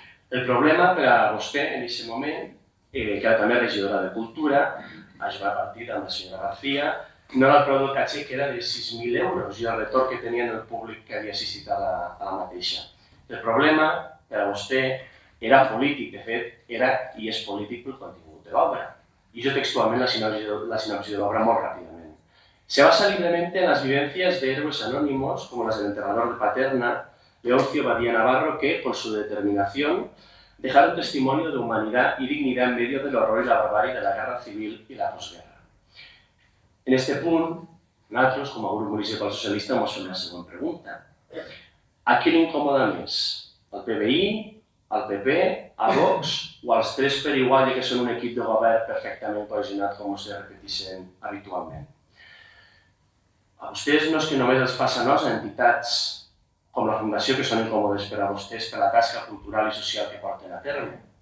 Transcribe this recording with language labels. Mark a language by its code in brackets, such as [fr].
[ca] El problema per a vostè en aquest moment, que era també regidora de Cultura, això va partir amb la senyora García, no era el preu del caché que era de 6.000 euros i el retorn que tenien el públic que havia assistit a la mateixa. El problema per a vostè era polític, de fet, era i és polític pel contingut. de l'obra. I jo textualment la sinopsi de l'obra molt ràpidament. [es] Se basa libremente en las vivencias de héroes anónimos, como las del enterrador de Paterna, Leoncio Badía Navarro, que, por su determinación, dejaron testimonio de humanidad y dignidad en medio del horror y la barbarie de la guerra civil y la posguerra. En este punto, nosotros, como grupo municipal socialista, hemos hecho una segunda pregunta. ¿A quién incomoda més? [ca] ¿Al PBI, al PP, a Vox o als tres per igual, ja que són un equip de govern perfectament cohesionat, com se repeteixen habitualment? A vostès no és que només els passa a nos, a entitats com la Fundació, que són incòmodes per a vostès per la tasca cultural i social que porten a terme.